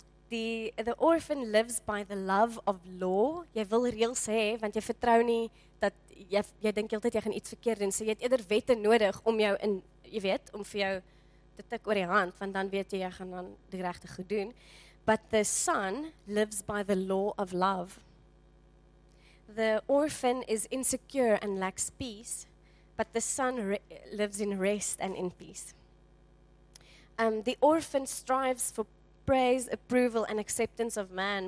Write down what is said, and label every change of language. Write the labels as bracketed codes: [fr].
[en] The orphan lives by the love of law. [af] Jy wil reëls hê want jy vertrou nie dat jy dink heeltyd jy gaan iets verkeerd doen. So jy het eerder wette nodig om jou in jy weet, om vir jou te tik oor die hand want dan weet jy gaan dan die regte goed doen. [en] But the son lives by the law of love. The orphan is insecure and lacks peace, but the son lives in rest and in peace. The orphan strives for praise, approval, and acceptance of man.